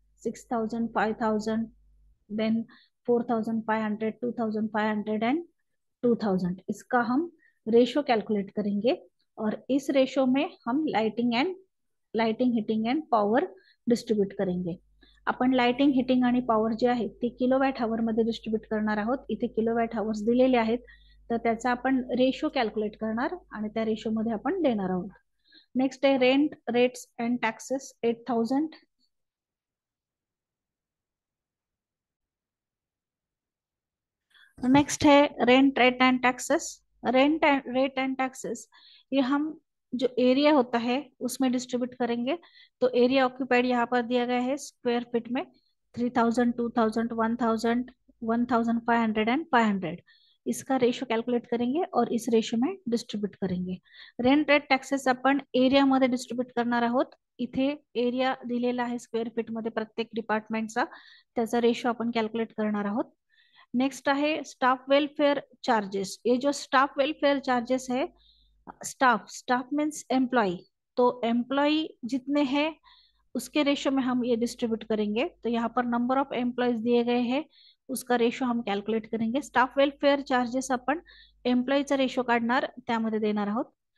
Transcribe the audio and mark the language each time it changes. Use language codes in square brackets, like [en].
[hi] 6,000, 5,000, then 4,500, 2,500 and 2,000, इसका हम ratio calculate करेंगे। और इस रेशियो में हम lighting heating and power distribute करेंगे। [mr] अपन लाइटिंग हीटिंग आणि पावर जे आहे ते किलोवाट आवर मध्ये डिस्ट्रीब्यूट करणार आहोत। इथे किलोवाट आवर्स दिलेले आहेत, तर त्याचा आपण रेशो कॅल्क्युलेट करणार आणि त्या रेशो मध्ये आपण देणार आहोत। नेक्स्ट आहे rent rates and taxes 8,000। [hi] Next है rent rate and taxes. Rent rate and taxes ये हम जो एरिया होता है उसमें डिस्ट्रीब्यूट करेंगे। तो एरिया ऑक्यूपाइड यहाँ पर दिया गया है स्क्वायर फीट में 3,000, 2,000, 1,000, 1,500 एंड 500, इसका रेशियो कैलकुलेट करेंगे और इस रेशियो में डिस्ट्रीब्यूट करेंगे। [mr] रेंट रेट टैक्सेस अपन एरिया मध्ये डिस्ट्रीब्यूट करणार आहोत। इथे एरिया दिलेला आहे स्क्वेअर फीट मध्ये प्रत्येक डिपार्टमेंटचा, त्याचा रेशियो आपण कैलकुलेट करणार आहोत। नेक्स्ट आहे स्टाफ वेलफेअर चार्जेस। [hi] ये जो स्टाफ वेलफेअर चार्जेस है, स्टाफ स्टाफ मीन्स एम्प्लॉई, तो एम्प्लॉई जितने हैं उसके रेशियो में हम ये डिस्ट्रीब्यूट करेंगे। तो यहाँ पर नंबर ऑफ एम्प्लॉयज दिए गए हैं उसका रेशियो हम कैलकुलेट करेंगे। [mr] स्टाफ वेलफेयर चार्जेस अपन एम्प्लॉईचा रेशियो काढणार, त्यामध्ये देणार आहोत।